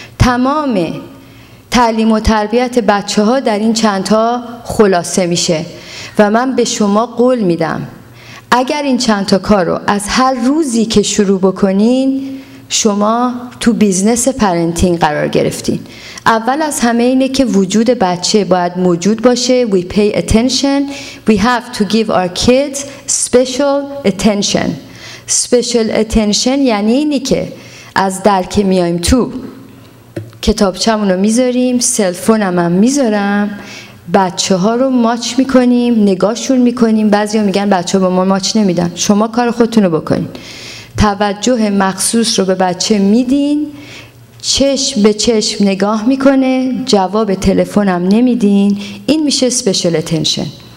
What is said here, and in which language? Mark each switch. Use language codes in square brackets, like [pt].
[fa] تمام تعلیم و تربیت بچه ها در این چند تا خلاصه میشه و من به شما قول میدم اگر این چند تا کار رو از هر روزی که شروع بکنین، شما تو بیزنس پرنتینگ قرار گرفتین. اول از همه اینه که وجود بچه باید موجود باشه. [en] We pay attention. We have to give our kids special attention. [fa] Special attention یعنی اینی که از در که میایم تو کتابچمونو میذاریم، سلفونم هم میذارم، بچه ها رو ماچ میکنیم، نگاهشون میکنیم. بعضی ها میگن بچه ها با ما ماچ نمیدن. شما کار خودتونو بکنین، توجه مخصوص رو به بچه میدین، چشم به چشم نگاه میکنه، جواب تلفنم نمیدین، این میشه special attention.